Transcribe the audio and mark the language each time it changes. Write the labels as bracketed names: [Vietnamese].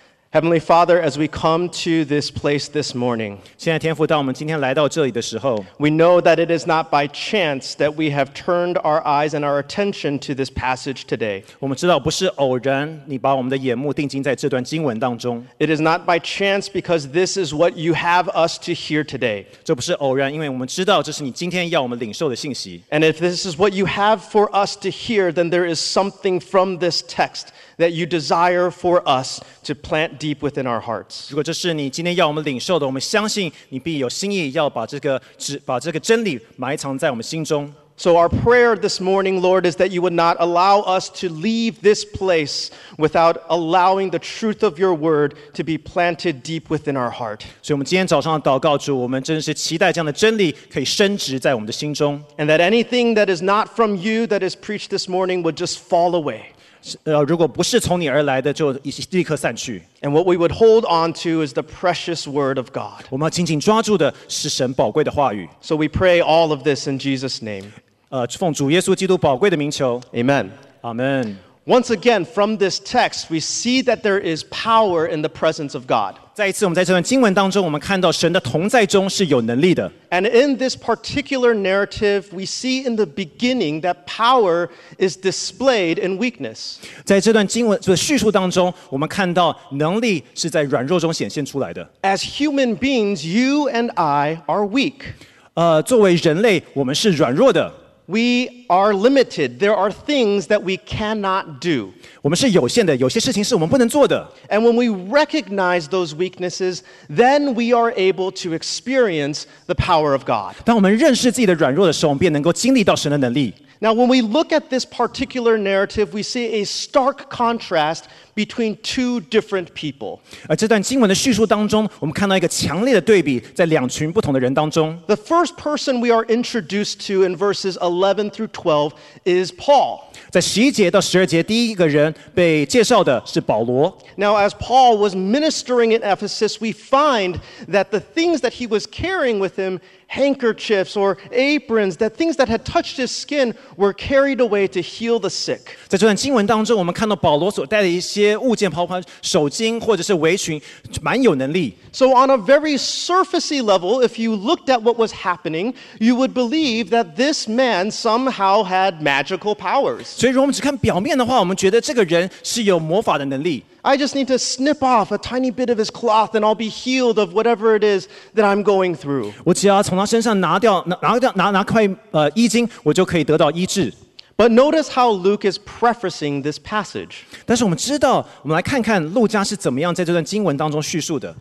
[English] Heavenly Father, as we come to this place this morning, [Chinese] 现在天父，当我们今天来到这里的时候， [English] we know that it is not by chance that we have turned our eyes and our attention to this passage today. [Chinese] 我们知道不是偶然你把我们的眼目定睛在这段经文当中。 [English] It is not by chance because this is what you have us to hear today. [Chinese] 这不是偶然，因为我们知道这是你今天要我们领受的信息。 [English] And if this is what you have for us to hear, then there is something from this text. That you desire for us to plant deep within our hearts. [Chinese] 如果这是你今天要我们领受的，我们相信你必有心意，要把这个真理埋藏在我们心中。 [English] So our prayer this morning, Lord, is that you would not allow us to leave this place without allowing the truth of your word to be planted deep within our heart. [Chinese] 所以我们今天早上的祷告，主，我们真是期待这样的真理可以深植在我们的心中。 [English] And that anything that is not from you that is preached this morning would just fall away. [Chinese] 如果不是从你而来的，就立刻散去。 [English] And what we would hold on to is the precious word of God. [Chinese] 我们要紧紧抓住的是神宝贵的话语。 [English] So we pray all of this in Jesus' name. [Chinese] 奉主耶稣基督宝贵的名求。 [English] Amen. Amen. Once again, from this text, we see that there is power in the presence of God. [Chinese] 再一次，我们在这段经文当中，我们看到神的同在中是有能力的。 [English] And in this particular narrative, we see in the beginning that power is displayed in weakness. [Chinese] 在这段经文的叙述当中，我们看到能力是在软弱中显现出来的。 [English] As human beings, you and I are weak. [Chinese] 作为人类，我们是软弱的。 [English] We are limited. There are things that we cannot do. [Chinese] 我们是有限的，有些事情是我们不能做的。 [English] And when we recognize those weaknesses, then we are able to experience the power of God. [Chinese] 当我们认识自己的软弱的时候，我们便能够经历到神的能力。 [English] Now, when we look at this particular narrative, we see a stark contrast between two different people. [Chinese] 这段经文的叙述当中，我们看到一个强烈的对比，在两群不同的人当中。 [English] The first person we are introduced to in verses 11 through 12 is Paul. [Chinese] 在十一节到十二节，第一个人被介绍的是保罗。 [English] Now, as Paul was ministering in Ephesus, we find that the things that he was carrying with him, handkerchiefs or aprons, that things that had touched his skin were carried away to heal the sick. [Chinese] 在这段经文当中，我们看到保罗所带的一些物件，包括手巾或者是围裙，蛮有能力。 [English] So on a very surfacey level, if you looked at what was happening, you would believe that this man somehow had magical powers. [Chinese] 所以如果我们只看表面的话，我们觉得这个人是有魔法的能力。 [English] I just need to snip off a tiny bit of his cloth and I'll be healed of whatever it is that I'm going through. [Chinese] 我只要从他身上拿块衣襟，我就可以得到医治。 [English] But notice how Luke is prefacing this passage. [Chinese] 但是我们知道，我们来看看路加是怎么样在这段经文当中叙述的。